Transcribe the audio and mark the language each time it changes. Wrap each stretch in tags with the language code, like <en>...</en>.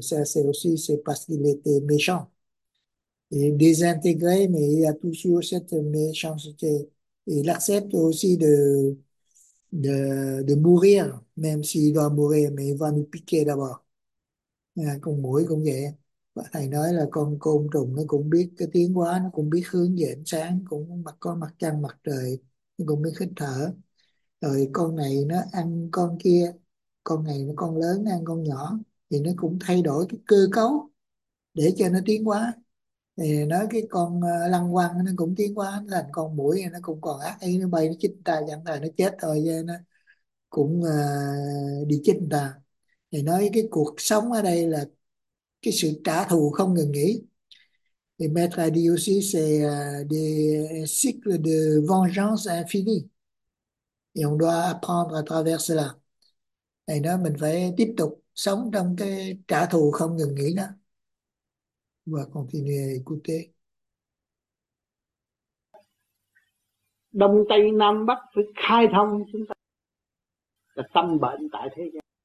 <fr>Ça, c'est aussi, c'est parce qu'il était méchant. Il est désintégré, mais il a toujours cette méchanceté. Il accepte aussi de mourir, même s'il doit mourir, mais il va nous piquer d'abord.</fr> <vi>Hein, con muỗi cũng vậy. Thầy nói là con côn trùng nó cũng biết cái tiến hóa, nó cũng biết hướng về ánh sáng, cũng mặt có mặt trăng mặt trời, nó cũng biết hít thở. Rồi con này nó ăn con kia, con này nó con lớn ăn con nhỏ, thì nó cũng thay đổi cái cơ cấu để cho nó tiến hóa. Thì nói cái con lăng quăng nó cũng tiến hóa thành con muỗi, nó cũng còn ác ý, nó bay nó chích ta chẳng là nó chết thôi, chứ nó cũng đi chích ta. Thì nói cái cuộc sống ở đây là cái sự trả thù không ngừng nghỉ.</vi> <fr>Thì maître a dit aussi c'est des cycles de vengeance infinie. Et on doit apprendre à travers cela.</fr> <vi>Thì nói mình phải tiếp tục sống trong cái trả thù không ngừng nghỉ đó.</vi> <fr>Và continuer à écouter.</fr> <vi>Đông Tây Nam Bắc phải khai thông chúng ta là tâm bệnh tại thế gian.</vi>